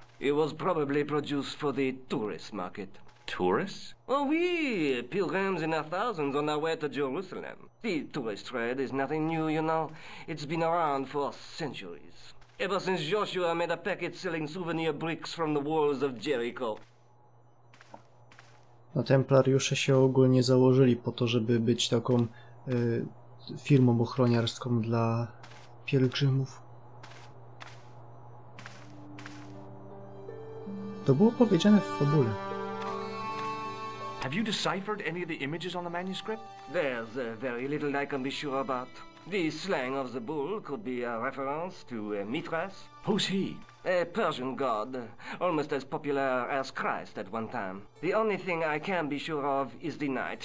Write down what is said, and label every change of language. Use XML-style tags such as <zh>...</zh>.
<en>It was probably produced for the tourist market. Tourists? Oh, we pilgrims in our thousands on our way to Jerusalem. The tourist trade is nothing new, you know. It's been around for centuries. Ever since Joshua made a packet selling souvenir bricks from the walls of Jericho.</en> <pl>No, Templariusze się ogólnie założyli po to, żeby być taką firmą ochroniarską dla pielgrzymów. To było powiedziane w fabule.</pl> <en>Have you deciphered any of the images on the manuscript? There's very little I can be sure about. The slang of the bull could be a reference to Mithras. Who's he? A Persian god, almost as popular as Christ at one time. The only thing I can be sure of is the knight.</en>